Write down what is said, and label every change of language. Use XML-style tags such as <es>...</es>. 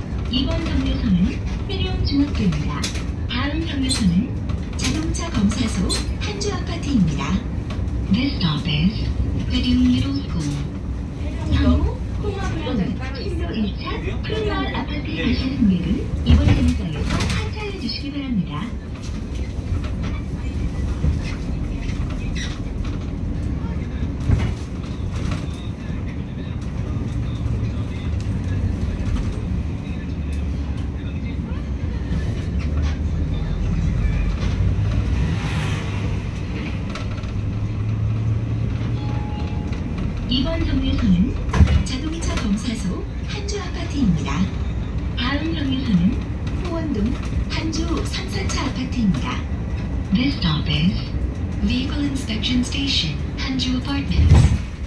<ko>이번 정류소는 회룡 중학교입니다. 다음 정류소는 자동차 검사소 한주 아파트입니다.</ko> <en>This stop is 회룡 middle school.</en> <ko>향후 홍합물원 1차 풀마을 아파트에 가시는 승객은 이번 정류소에서 하차해 주시기 바랍니다. 이번 정류소는 자동차 검사소 한주 아파트입니다. 다음 정류소는 호원동 한주 3-4차 아파트입니다.</ko> <en>This stop is Vehicle Inspection Station, 한주 Apartments.</en>